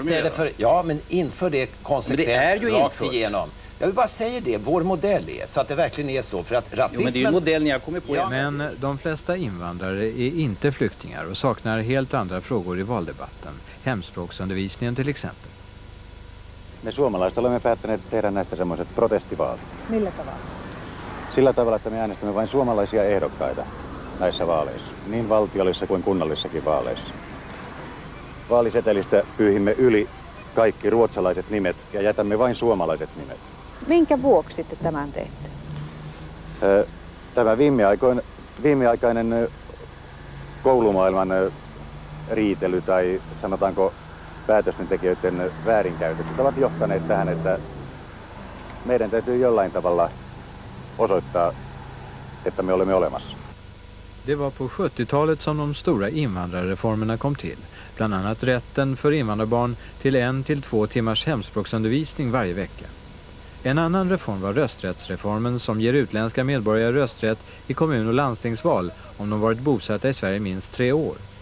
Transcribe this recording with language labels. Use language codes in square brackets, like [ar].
[sv] de göra. Ja, men inför det konsekvent. Men det är ju rakt igenom. Jag vill bara säga det, vår modell är så att det verkligen är så, för att rasismen... Jo, men det är ju modellen jag kommer på. Ja. Men de flesta invandrare är inte flyktingar och saknar helt andra frågor i valdebatten. Hemspråksundervisningen till exempel. [fi] Me suomalaiset olemme päättäneet tehdä näistä semmoiset protestivaalit. Millä tavalla? Sillä tavalla, että me äänestämme vain suomalaisia ehdokkaita näissä vaaleissa, niin valtiollisissa kuin kunnallissakin vaaleissa. Vaalisetelistä pyyhimme yli kaikki ruotsalaiset nimet ja jätämme vain suomalaiset nimet. Minkä vuoksi te tämän teette? Tämä viimeaikainen koulumaailman riitely tai sanotaanko päätöstentekijöiden väärinkäytökset ovat johtaneet tähän, että meidän täytyy jollain tavalla osoittaa, että me olemme olemassa. [sv] Det var på 70-talet som de stora invandrarreformerna kom till. Bland annat rätten för invandrarbarn till 1-2 timmars hemspråksundervisning varje vecka. En annan reform var rösträttsreformen som ger utländska medborgare rösträtt i kommun- och landstingsval om de varit bosatta i Sverige minst 3 år.